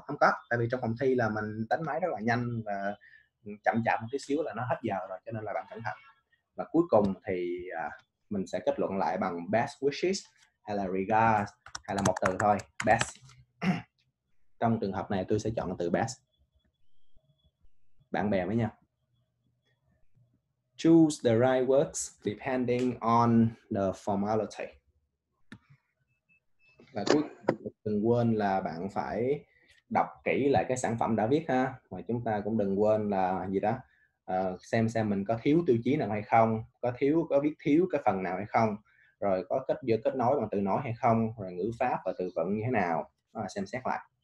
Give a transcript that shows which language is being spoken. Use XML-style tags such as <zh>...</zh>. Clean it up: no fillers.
<vi>Không có, tại vì trong phòng thi là mình đánh máy rất là nhanh và chậm chậm một tí xíu là nó hết giờ rồi, cho nên là bạn cẩn thận. Và cuối cùng thì mình sẽ kết luận lại bằng best wishes hay là regards, hay là một từ thôi, best. Trong trường hợp này tôi sẽ chọn từ best. Bạn bè với nhau.</vi> <en>Choose the right words depending on the formality.</en> <vi>Và cuối cùng đừng quên là bạn phải đọc kỹ lại cái sản phẩm đã viết ha. Và chúng ta cũng đừng quên là gì đó, xem mình có thiếu tiêu chí nào hay không, có viết thiếu cái phần nào hay không, rồi có kết giữa kết nối bằng từ nói hay không, rồi ngữ pháp và từ vựng như thế nào, đó là xem xét lại.</vi>